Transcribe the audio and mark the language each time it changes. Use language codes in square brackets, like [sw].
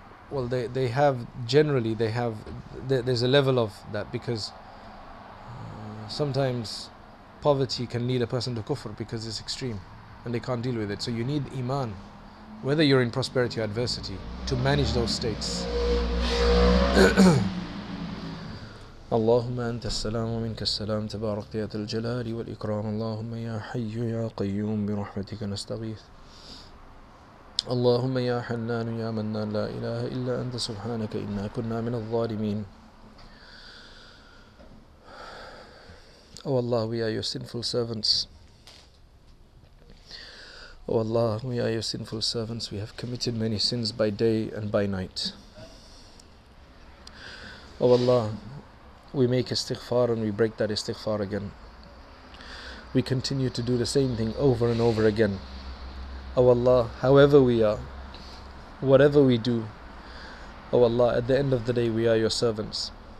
[en] Well, there's a level of that, because sometimes poverty can lead a person to kufr because it's extreme and they can't deal with it. So you need iman, whether you're in prosperity or adversity, to manage those states. [ar] اللهم أنت السلام ومنك السلام تبارك يا ذا الجلال والإكرام اللهم يا حي يا قيوم برحمتك نستغيث اللهم يا حنان يا منان لا إله إلا أنت سبحانك إنا كنا من الظالمين [en] Oh Allah, we are your sinful servants. Oh Allah, we are your sinful servants. We have committed many sins by day and by night. Oh Allah, we make istighfar and we break that istighfar again. We continue to do the same thing over and over again. Oh Allah, however we are, whatever we do, oh Allah, at the end of the day, we are your servants.